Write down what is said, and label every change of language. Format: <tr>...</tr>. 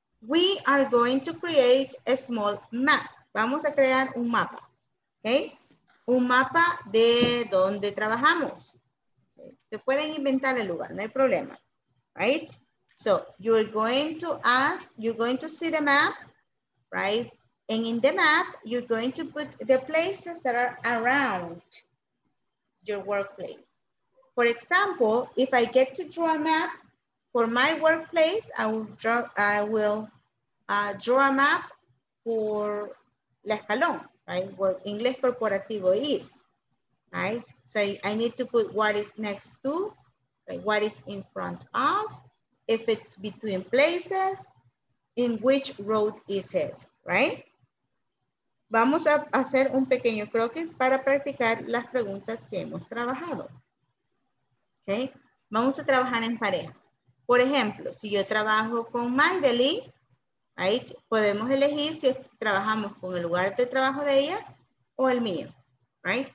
<en>We are going to create a small map.</en> <es>Vamos a crear un mapa,</es> <en>okay?</en> <es>Un mapa de donde trabajamos. Okay? Se pueden inventar el lugar, no hay problema, right?</es> <en>So you're going to ask, you're going to see the map, right? And in the map, you're going to put the places that are around your workplace. For example, if I get to draw a map for my workplace, I will draw a map for La Escalón, right? Where Inglés Corporativo is, right? So I need to put what is next to, like what is in front of, if it's between places, in which road is it, right?</en> <es>Vamos a hacer un pequeño croquis para practicar las preguntas que hemos trabajado, okay? Vamos a trabajar en parejas. Por ejemplo, si yo trabajo con Maideli, right? Podemos elegir si trabajamos con el lugar de trabajo de ella o el mío, right?</es>